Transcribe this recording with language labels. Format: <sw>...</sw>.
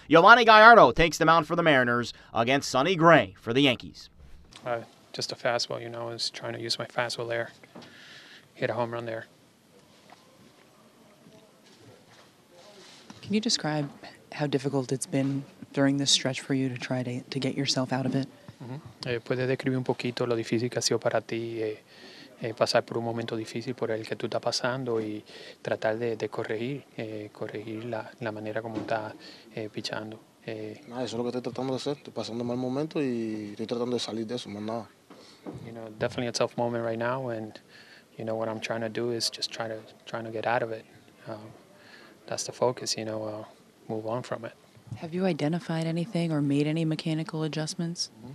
<en>Yovani Gallardo takes the mound for the Mariners against Sonny Gray for the Yankees. Just a fastball, you know, I was trying to use my fastball there. Hit a home run there. Can you describe how difficult it's been during this stretch for you to try to get yourself out of it?</en> <es>Puede describir un poquito lo difícil que ha sido para ti. Pasar por un momento difícil por el que tú estás pasando y tratar de corregir, corregir la manera como estás pichando. Nah, eso es lo que estoy tratando de hacer. Estoy pasando un mal momento y estoy tratando de salir de eso, más nada.</es> <en>You know, definitely a tough moment right now, and you know what I'm trying to do is just trying to get out of it. That's the focus, you know, move on from it. Have you identified anything or made any mechanical adjustments?</en>